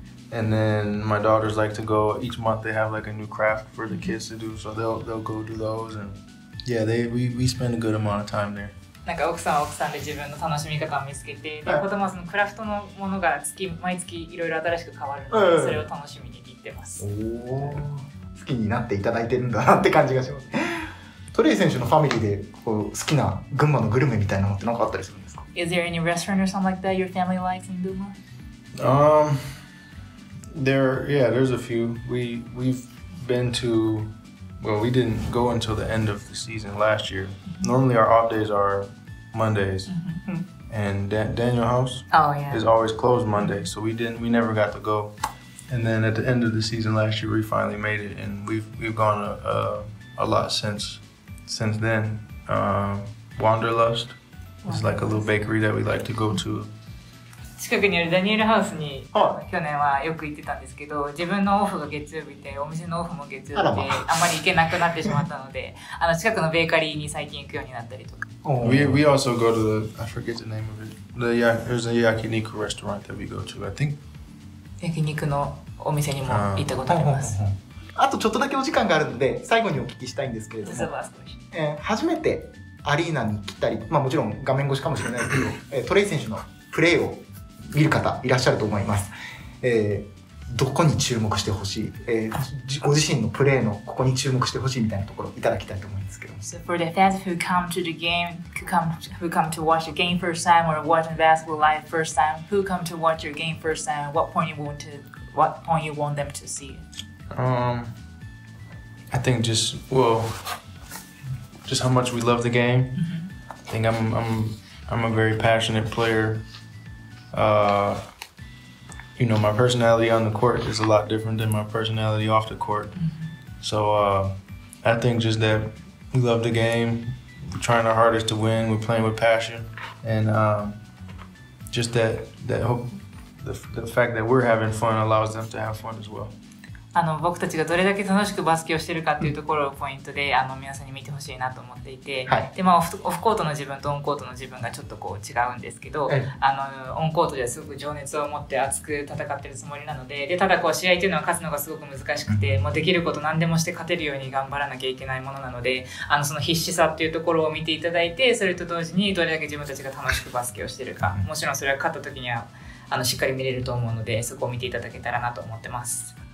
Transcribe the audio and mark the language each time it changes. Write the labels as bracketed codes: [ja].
[en] And then my daughters like to go, each month they have like a new craft for the kids to do, so they'll go do those. And yeah, we spend a good amount of time there. [ja] なんか奥さんは奥さんで自分の楽しみ方を見つけて、で子供はそのクラフトのものが毎月いろいろ新しく変わるので、それを楽しみに行ってます。お、好きになっていただいてるんだなって感じがします。トレイ選手のファミリーでこう好きな群馬のグルメみたいなのって何かあったりするんですか？ [en] Is there any restaurant or something like that your family likes in Duma? There's a few. We've been to... Well, we didn't go until the end of the season last year. Normally, our off days are Mondays. And Daniel House is always closed Monday. So we never got to go. And then at the end of the season last year, we finally made it. And we've gone a lot since then. Wanderlust is like a little bakery that we like to go to. [ja] 近くにあるダニエルハウスに去年はよく行ってたんですけど、自分のオフが月曜日でお店のオフも月曜日であんまり行けなくなってしまったので、近くのベーカリーに最近行くようになったりとか。 [en] We also go to the, I forget the name of it, there's a yakiniku restaurant that we go to, I think. [ja] 焼肉のお店にも行ったことあります。あとちょっとだけお時間があるので最後にお聞きしたいんですけれども、初めてアリーナに来たり、まあ、もちろん画面越しかもしれないですけど、トレイ選手のプレーを見る方いらっしゃると思います、どこに注目してほしい、ご自身のプレーのここに注目してほしいみたいなところをいただきたいと思いますけど。 [en] So for the fans who come to the game, who come to watch the game first time or watch basketball live first time, who come to watch your game first time, what point you want them to see? I think just how much we love the game. Mm-hmm. I think I'm a very passionate player. You know, my personality on the court is a lot different than my personality off the court. Mm-hmm. So I think just that we love the game. We're trying our hardest to win. We're playing with passion. And just that hope, the fact that we're having fun allows them to have fun as well. [ja] あの僕たちがどれだけ楽しくバスケをしているかっていうところをポイントで、うん、あの皆さんに見てほしいなと思っていて、はい、でまあ、オフコートの自分とオンコートの自分がちょっとこう違うんですけど、あのオンコートではすごく情熱を持って熱く戦っているつもりなの でただこう試合というのは勝つのがすごく難しくて、うん、もうできること何でもして勝てるように頑張らなきゃいけないものなので、あのその必死さっていうところを見ていただいて、それと同時にどれだけ自分たちが楽しくバスケをしているか、うん、もちろんそれは勝った時にはあのしっかり見れると思うので、そこを見ていただけたらなと思ってます。